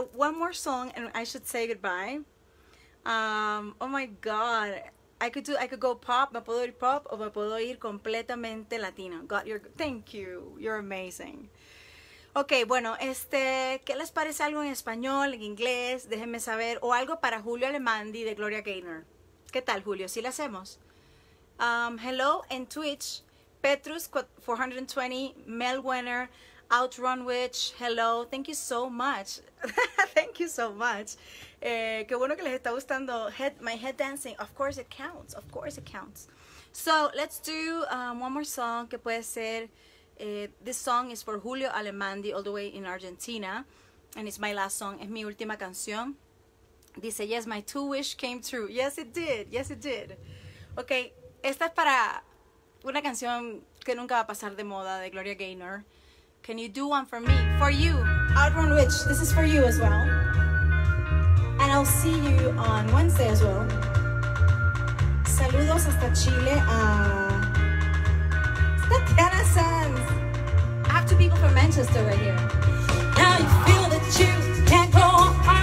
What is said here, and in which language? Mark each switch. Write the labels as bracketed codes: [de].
[en] One more song and I should say goodbye. Oh my God. I could go pop. [es] Me puedo ir pop o me puedo ir completamente latino. [en] God, thank you. You're amazing. [es] Ok, bueno, ¿qué les parece algo en español, en inglés? Déjenme saber. O algo para Julio Alemandi de Gloria Gaynor. ¿Qué tal, Julio? ¿Sí lo hacemos? [en] Hello en Twitch. Petrus 420, Mel Winner, Outrun Witch, hello, thank you so much. Thank you so much. [es] Qué bueno que les está gustando. [en] My head dancing, of course it counts, of course it counts. So let's do one more song [es] que puede ser. [en] This song is for Julio Alemandi, all the way in Argentina. And it's my last song, [es] es mi última canción. Dice, [en] yes, my two wish came true. Yes, it did, yes, it did. [es] Ok, esta es para una canción que nunca va a pasar de moda de Gloria Gaynor. [en] Can you do one for me? For you. Outrun Witch, this is for you as well. And I'll see you on Wednesday as well. [es] Saludos hasta Chile a Tatiana Sanz. [en] I have two people from Manchester right here. Now you feel that you can't go on.